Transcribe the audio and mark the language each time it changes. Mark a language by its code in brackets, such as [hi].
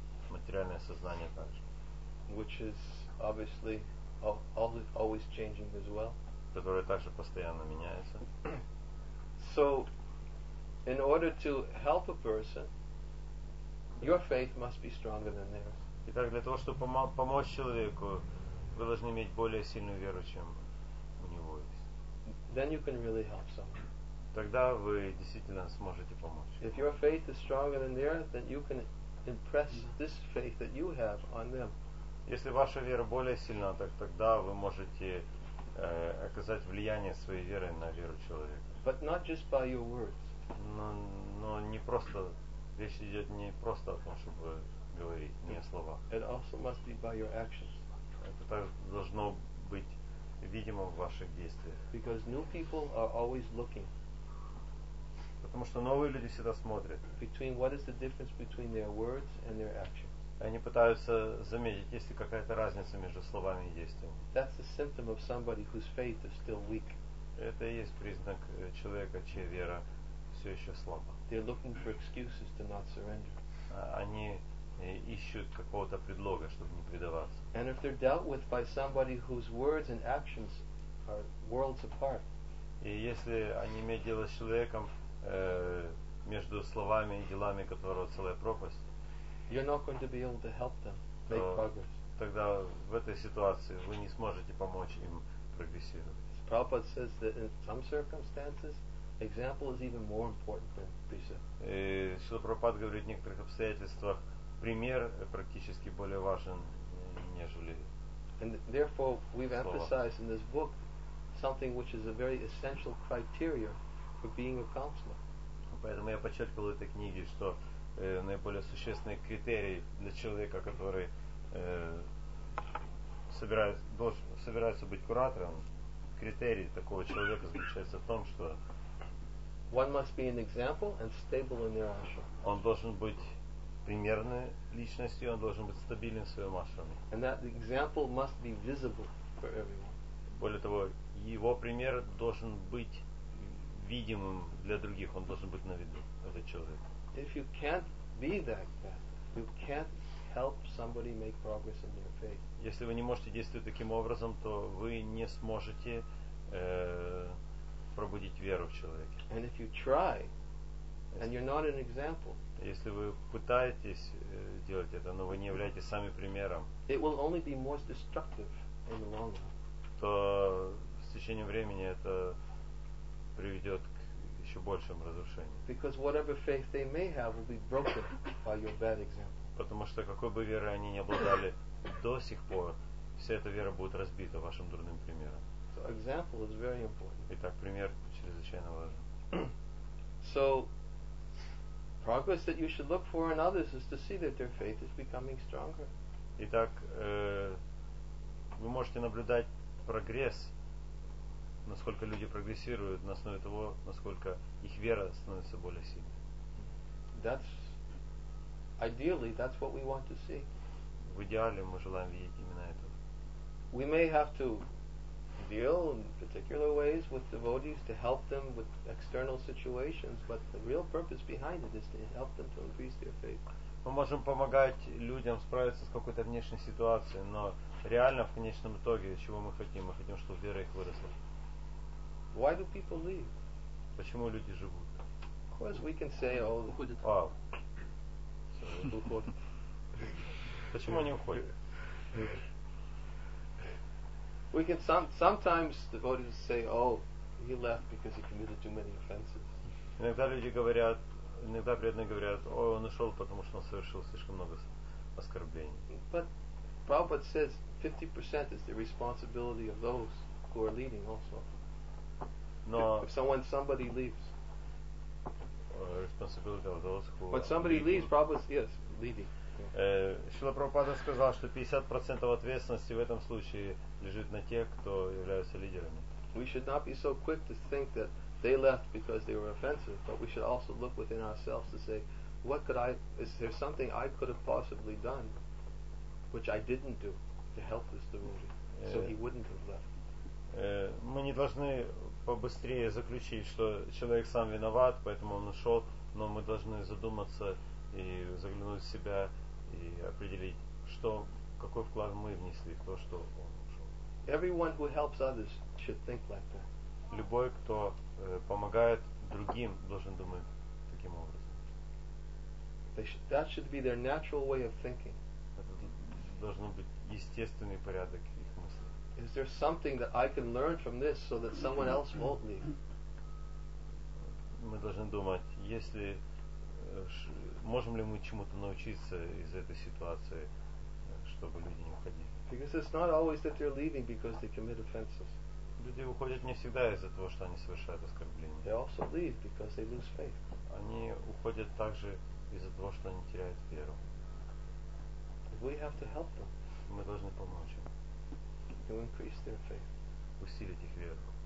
[ru] Материальное сознание также. [en] Which is obviously always changing as well. [ru] Которое также постоянно меняется. [en] So, in order to help a person, your faith must be stronger than theirs. [ru] Итак, для того, чтобы помочь человеку, вы должны иметь более сильную веру, чем у него есть. [en] Then you can really help someone. [ru] Тогда вы действительно сможете помочь. [en] If your faith is stronger than theirs, then you can impress this faith that you have on them. [ru] Если ваша вера более сильна, тогда вы можете оказать влияние своей веры на веру человека. [en] But not just by your words. [ru] Но не просто. Речь идет не просто о том, чтобы говорить, не о словах. [en] It also must be by your actions. [ru] Это также должно быть видимо в ваших действиях. [en] Because new people are always looking. [ru] Потому что новые люди всегда смотрят. [en] Between what is the difference between their words and their actions. [ru] Они пытаются заметить, есть ли какая-то разница между словами и действиями. [en] That's a symptom of somebody whose faith is still weak. [ru] Это и есть признак человека, чья вера все еще слабо. [en] They're looking for excuses to not surrender. [ru] Они ищут какого-то предлога, чтобы не предаваться. [en] And if they're dealt with by somebody whose words and actions are worlds apart. [ru] И если они имеют дело с человеком между словами и делами которого целая пропасть. [en] You're not going to be able to help them make progress. [ru] Тогда в этой ситуации вы не сможете помочь им прогрессировать. [en] As Prabhupada says that in some circumstances. Example is even more important than precept. [ru] Шрила Прабхупада говорит, в некоторых обстоятельствах пример практически более важен, нежели. [en] And therefore, we've emphasized in this book something which is a very essential criteria for being a counselor. [ru] Поэтому я подчеркивал в этой книге, что наиболее существенный критерий для человека, который собирается быть куратором, критерий такого человека заключается в том, что [en] one must be an example and stable in their ashram. [ru] Он должен быть примерной личностью, он должен быть стабильным в своем ашраме. [en] And that example must be visible for everyone. [ru] Более того, его пример должен быть видимым для других, он должен быть на виду, этот человек. [en] If you can't be like that, you can't help somebody make progress in your faith. [ru] Если вы не можете действовать таким образом, то вы не сможете пробудить веру в человеке. [en] And if you try, and you're not an example. [ru] Если вы пытаетесь делать это, но вы не являетесь сами примером. [en] It will only be more destructive in the long run. [ru] То с течением времени это приведет к еще большим разрушениям. [en] Because whatever faith they may have will be broken by your bad example. [ru] Потому что какой бы верой они ни обладали до сих пор, вся эта вера будет разбита вашим дурным примером. [en] So example is very important. [ru] Итак, пример чрезвычайно важен. [en] So progress that you should look for in others is to see that their faith is becoming stronger. [ru] Итак, вы можете наблюдать прогресс, насколько люди прогрессируют на основе того, насколько их вера становится более сильной. [en] That's ideally, that's what we want to see. [ru] В идеале мы желаем видеть именно это. [en] We may have to deal in particular ways with devotees to help them with external situations, but the real purpose behind it is to help them to increase their faith. [ru] Мы можем помогать людям справиться с какой-то внешней ситуацией, но реально в конечном итоге чего мы хотим? Мы хотим, чтобы вера их выросла. [en] Why do people leave? [ru] Почему люди живут? [en] Because we can say all. [ru] Уходят. А. Уходят. Почему они уходят? [en] We can sometimes devotees say, "Oh, he left because he committed too many offenses." [ru] Иногда люди говорят, иногда преданные говорят, "Ой, он ушел, потому что он совершил слишком много оскорблений." [en] But Prabhupada says 50% is the responsibility of those who are leading also. [ru] Но [en] if somebody leaves, responsibility of those who. But somebody leaves, Prabhupada, yes, leading. [ru] Шрила Прабхупада сказал, что 50% ответственности в этом случае лежит на тех, кто являются лидерами. [en] We should not be so quick to think that they left because they were offensive, but we should also look within ourselves to say, what could I, is there something I could have possibly done, which I didn't do, to help this devotee, so he wouldn't have left. [ru] Мы не должны побыстрее заключить, что человек сам виноват, поэтому он ушел, но мы должны задуматься и заглянуть в себя и определить, что, какой вклад мы внесли в то, что он ушел. [en] Everyone who helps others should think like that. [ru] Любой, кто помогает другим, должен думать таким образом. [en] That should be their natural way of thinking. [ru] Это должен быть естественный порядок их мыслей. [en] Is there something that I can learn from this so that someone else won't leave? [ru] Мы должны думать, если можем ли мы чему-то научиться из этой ситуации, чтобы люди не уходили? [en] Because it's not always that they're leaving because they commit offenses. [ru] Люди уходят не всегда из-за того, что они совершают оскорбления. [en] They also leave because they lose faith. [ru] Они уходят также из-за того, что они теряют веру. [en] We have to help them. [ru] Мы должны помочь им. [en] To increase their faith. [ru] Усилить их веру.